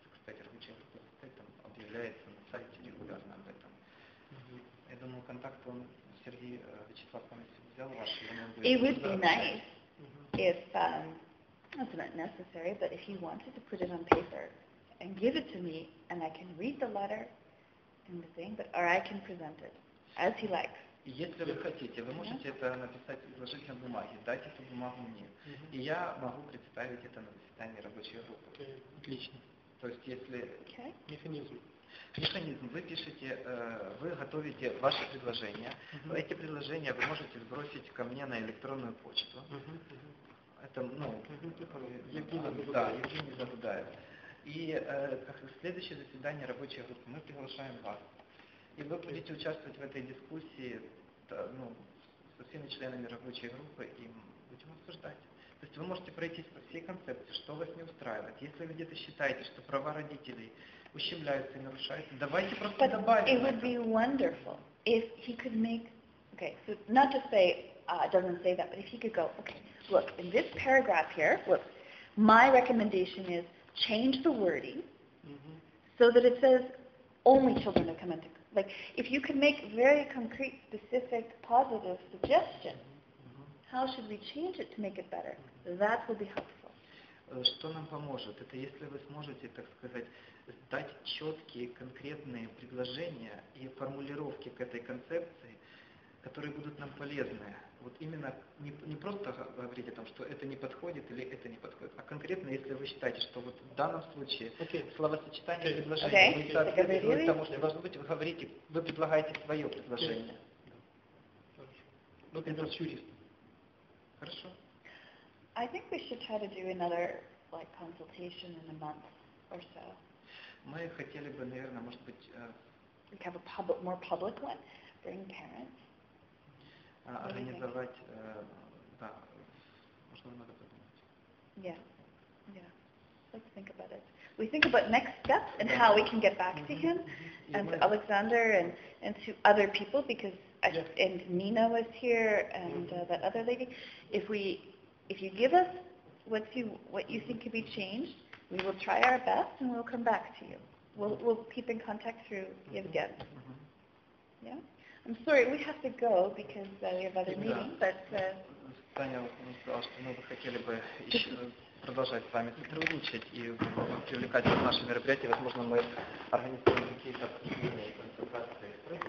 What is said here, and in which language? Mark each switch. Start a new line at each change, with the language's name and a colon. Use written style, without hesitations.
Russian: Кстати, рабочая группа там объявляется на сайте регулярно об этом. Uh-huh. Я думаю, контакт он Сергей Вячеслав Комиссий взял ваш, и он будет.
English: It would be nice if that's not necessary, but if you wanted to put it on paper and give it to me and I can read the letter and the thing, but or I can present it as he likes.
Russian: Если вы хотите, вы можете это написать, изложить на бумаге, дать эту бумагу мне. Uh-huh. И я могу представить это на заседании рабочей группы. Отлично. То есть если...
English: Okay.
Russian: Механизм. Механизм. Вы пишете, вы готовите ваше предложение. Uh-huh. Эти предложения вы можете сбросить ко мне на электронную почту. Uh-huh. Это, ну... Евгений Забудаев. И следующее заседание рабочей группы мы приглашаем вас. И вы будете участвовать в этой дискуссии со всеми членами рабочей группы и будем обсуждать. То есть вы можете пройтись по всей концепции, что вас не устраивает. Если вы где-то считаете, что права родителей ущемляются и нарушаются, давайте просто
English: But
Russian: добавим.
English: It would be wonderful if he could make okay, so not to say doesn't say that, but if he could go, okay, look, in this paragraph here, look, my recommendation is change the wording so that it says only children who come into like if you can make very concrete, specific, positive suggestion, how should we change it to make it better? That will be helpful.
Russian: Что нам поможет? Это если вы сможете, так сказать, дать четкие, конкретные предложения и формулировки к этой концепции, которые будут нам полезны. Вот именно не просто говорить о том, что это не подходит или это не подходит, а конкретно, если вы считаете, что вот в данном случае словосочетание предложения не соответствует тому, что должно быть, вы говорите, вы предлагаете свое предложение. Ну, это юрист. Хорошо.
English: I think we should try to do another like consultation in a month or so.
Russian: Мы хотели бы, наверное, может быть,
English: we have a public, more public one, bring parents.
Russian: Организовать, да, можно немного подумать.
English: Yeah, let's think about it. We think about next steps and how we can get back to him and to Alexander and to other people because and Nina was here and that other lady. If you give us what you think could be changed, we will try our best and we'll come back to you. We'll keep in contact through Evgen. Yeah. I'm sorry, we have to go because we have other meetings, but...
Russian: Таня, мы сказали, что мы бы хотели бы еще продолжать с вами сотрудничать и привлекать вас в наши мероприятия. Возможно, мы организуем какие-то обсуждения и консультации с родителями.